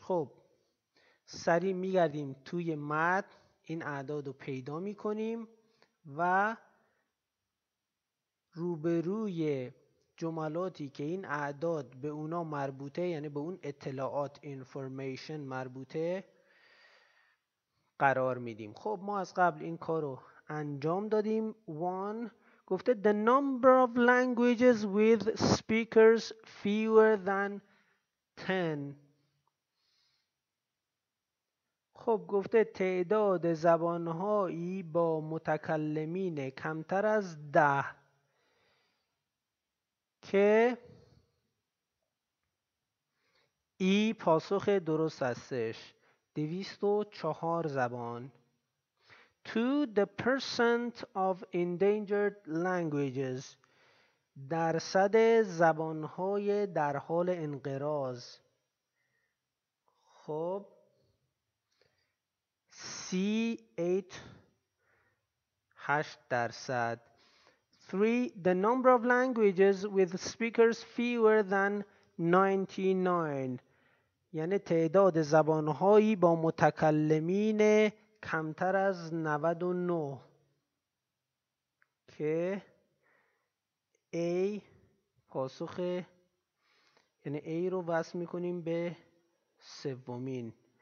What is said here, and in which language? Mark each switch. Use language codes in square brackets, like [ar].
[fa] خب سریع میگردیم توی متن، این اعداد رو پیدا میکنیم و روبروی جملاتی که این اعداد به اونا مربوطه، یعنی به اون اطلاعات information مربوطه، قرار میدیم. خب ما از قبل این کارو انجام دادیم. [en] One [fa] گفته [en] the number of languages with speakers fewer than 10. [fa] خب گفته تعداد زبانهایی با متکلمین کمتر از 10 که ای پاسخ درست هستش. 204 زبان. [en] To the percent of endangered languages، [fa] درصد زبانهای در حال انقراض. خب سی ایت 8 درصد. 3. [en] The number of languages with speakers fewer than 99. [fa] یعنی تعداد زبانهایی با متکلمین کمتر از 99 که A پاسخ، یعنی A رو وصل میکنیم به سومین.